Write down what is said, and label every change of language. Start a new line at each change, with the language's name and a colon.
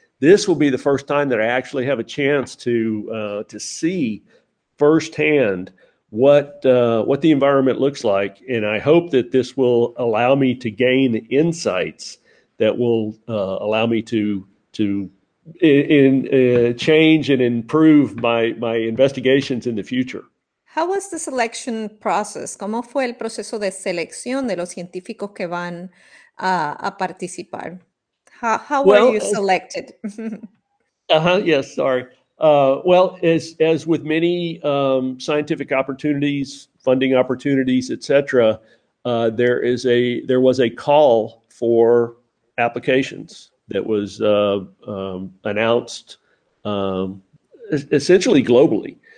English: This will be the first time that I actually have a chance to see firsthand what the environment looks like. And I hope that this will allow me to gain insights that will allow me to change and improve my investigations in the future. How was the selection process?
Spanish: ¿Cómo fue el proceso de selección de los científicos que van a participar?
English: How were you selected? As with many scientific opportunities, funding opportunities, etc., there was a call for applications that was announced essentially globally.